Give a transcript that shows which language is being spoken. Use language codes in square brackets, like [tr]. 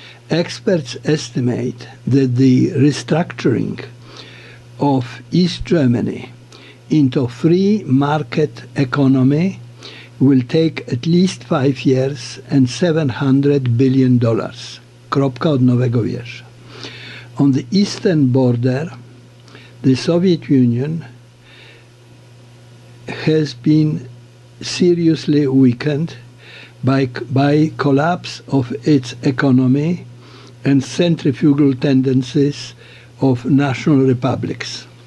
[en] Experts estimate that the restructuring of East Germany into free market economy will take at least 5 years and $700 billion. [pl] Kropka od nowego wiersza. [en] On the eastern border, the Soviet Union has been seriously weakened by collapse of its economy and centrifugal tendencies of national republics.